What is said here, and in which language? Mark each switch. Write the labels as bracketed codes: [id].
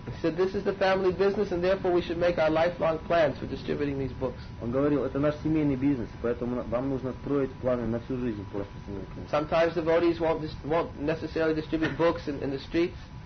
[en] He said, this is the family business, and therefore we should make our lifelong plans for distributing these books. [ru] Он говорил, это наш семейный бизнес, поэтому вам нужно строить планы на всю жизнь по распространению книг. [en] Sometimes devotees won't necessarily distribute books in the streets.